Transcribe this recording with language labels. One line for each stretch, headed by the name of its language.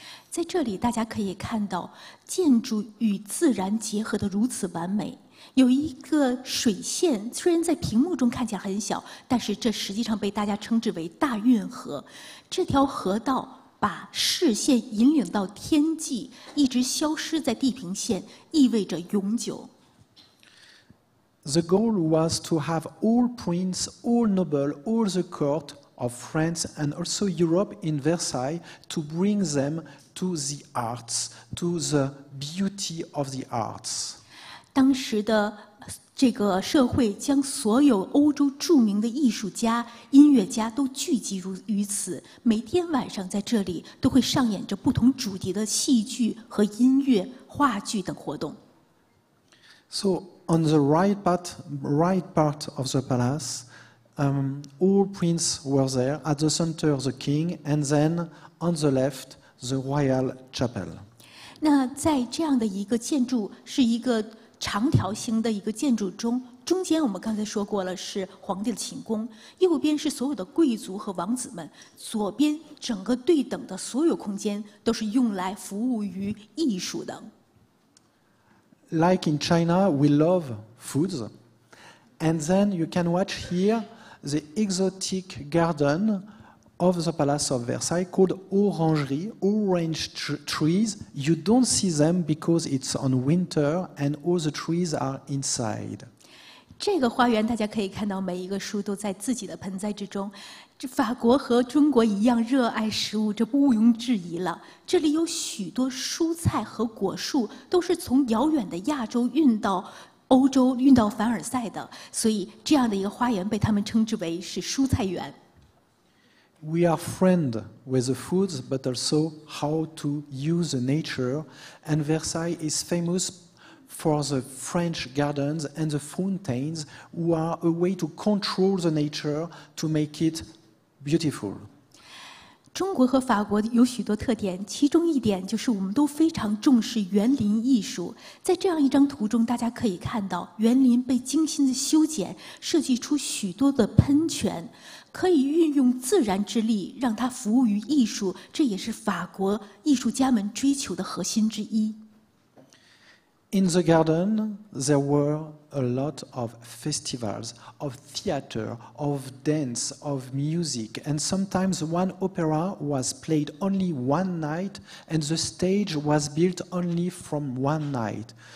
Chinese: 在这里大家可以看到建筑与自然结合得如此完美。有一个水线，虽然在屏幕中看起来很小，但是这实际上被大家称之为大运河。这条河道把视线引领到天际，一直消失在地平线，意味着永久。
English: The goal was to have all prince, all noble, all the court of France and also Europe in Versailles to bring them to the arts, to the beauty of the arts.
Chinese: 当时的这个社会将所有欧洲著名的艺术家、音乐家都聚集于此，每天晚上在这里都会上演着不同主题的戏剧和音乐、话剧等活动。
English: So,On the right part of the palace, all princes were there. At the center, the king, and then on the left, the royal chapel.
Chinese: 那在这样的一个建筑，是一个长条形的一个建筑中，中间我们刚才说过了，是皇帝的寝宫，右边是所有的贵族和王子们，左边整个对等的所有空间都是用来服务于艺术的。
English: Like in China, we love foods. And then you can watch here the exotic garden of the Palace of Versailles called Orangerie, orange trees. You don't see them because it's on winter and all the trees are inside.
Chinese: 这个花园大家可以看到每一个树都在自己的盆栽之中。法国和中国一样热爱食物，这不毋庸置疑了。这里有许多蔬菜和果树，都是从遥远的亚洲运到欧洲，运到凡尔赛的。所以这样的一个花园被他们称之为是蔬菜园。
English: We are friends with the foods, but also how to use the nature. And Versailles is famous for the French gardens and the fountains, who are a way to control the nature to make it beautiful.
Chinese: 中国和法国有许多特点，其中一点就是我们都非常重视园林艺术。在这样一张图中，大家可以看到园林被精心的修剪，设计出许多的喷泉，可以运用自然之力让它服务于艺术，这也是法国艺术家们追求的核心之一。
English: In the garden, there were a lot of festivals, of theater, of dance, of music, and sometimes one opera was played only one night, and the stage was built only from one night.